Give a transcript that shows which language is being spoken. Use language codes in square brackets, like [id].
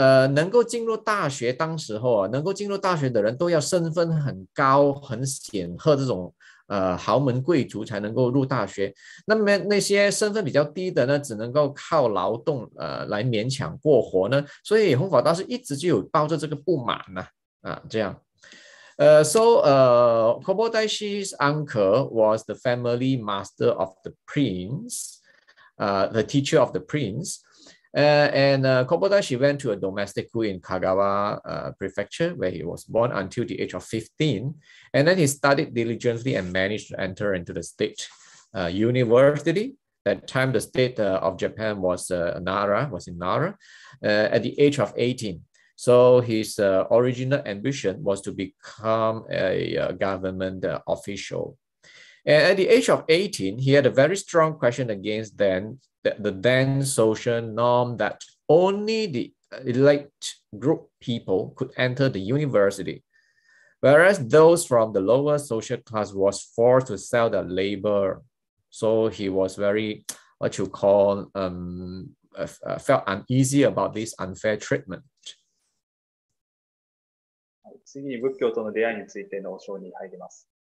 [zh] 能够进入大学，当时候啊，能够进入大学的人都要身份很高、很显赫这种豪门贵族才能够入大学。那么那些身份比较低的呢，只能够靠劳动来勉强过活呢。所以弘法大师一直就有抱着这个不满呢，这样。 [en] So, Kobodaishi's uncle was the family master of the prince, the teacher of the prince. And Kobodaishi went to a domestic school in Kagawa, Prefecture, where he was born until the age of 15. And then he studied diligently and managed to enter into the state university. That time, the state of Japan was Nara, was in Nara, at the age of 18. So his original ambition was to become a government official. And at the age of 18, he had a very strong question against the then social norm that only the elite group people could enter the university, whereas those from the lower social class was forced to sell their labor. So he was very, what you call, felt uneasy about this unfair treatment. [ja] 次に仏教との出会いについての章に入ります。